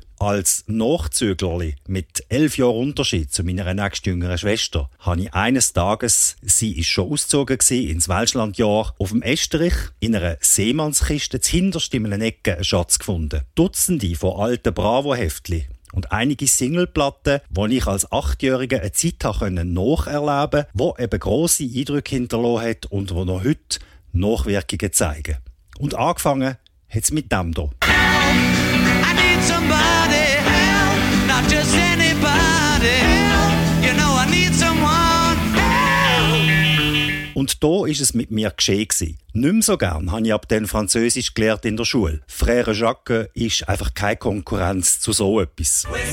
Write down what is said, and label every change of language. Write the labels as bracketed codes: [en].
[de] Als Nachzüglerli mit 11 Jahren Unterschied zu meiner nächstjüngeren Schwester habe ich eines Tages, sie war schon ausgezogen gewesen, ins Welschlandjahr, auf dem Estrich in einer Seemannskiste zuhinterst in einer Ecke einen Schatz gefunden. Dutzende von alten Bravo-Heftli und einige Singleplatten, die ich als Achtjähriger eine Zeit habe nacherleben konnte, die eben grosse Eindrücke hinterlassen hat und die noch heute Nachwirkungen zeigen. Und angefangen hat es mit dem hier. [en] Help, I need somebody help, not just anybody help, you know I need someone help. [de] Und da war es mit mir geschehen gewesen. Nicht mehr so gern habe ich ab dann Französisch gelernt in der Schule. Frère Jacques ist einfach keine Konkurrenz zu so etwas.